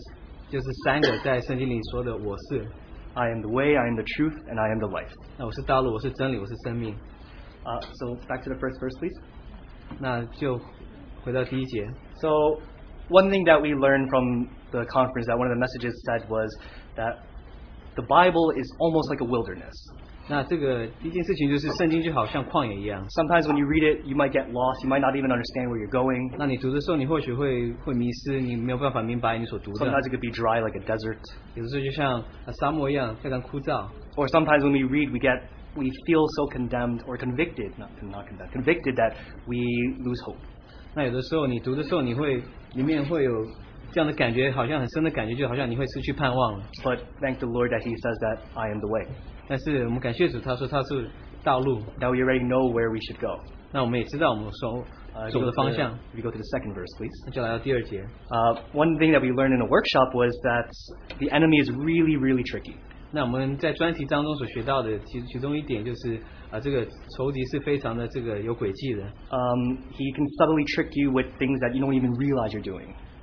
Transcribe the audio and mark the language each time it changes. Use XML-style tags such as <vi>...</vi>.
<zh>那我在听到大卫的主题的时候，讲到真理的时候，那我所想到的就是三个在圣经里说的我是。</zh> <en>I am the way, I am the truth, and I am the life.</en> <zh>那我是道路，我是真理，我是生命。</zh> <en>So back to the first verse, please.</en> <zh>那就回到第一节。</zh> <en>So one thing that we learned from the conference that one of the messages said was that the Bible is almost like a wilderness.</en> <zh>那这个第一件事情就是圣经就好像旷野一样。</zh> <en>Sometimes when you read it, you might get lost. You might not even understand where you're going.</en> <zh>那你读的时候你或许会迷失，你没有办法明白你所读的。</zh> <en>Sometimes it could be dry like a desert.</en> <zh>有的时候就像沙漠一样，非常枯燥。</zh> <en>Or sometimes when we read, we feel so condemned or convicted, not condemned, convicted that we lose hope.</en> <zh>那有的时候你读的时候，你会里面会有 这样的感觉好像很深的感觉，就好像你会失去盼望了。</zh> <en>But thank the Lord that He says that I am the way.</en> <zh>但是我们感谢主，他说他是道路。</zh> <en>Now we already know where we should go.</en> <zh>那我们也知道我们所走的方向。</zh> <en>We go to the second verse, please.</en> <zh>那就来到第二节。</zh> <en>One thing that we learned in a workshop was that the enemy is really, really tricky.</en> <zh>那我们在专题当中所学到的其中一点就是，这个仇敌是非常的这个有诡计的。</zh> <en>He can subtly trick you with things that you don't even realize you're doing.</en>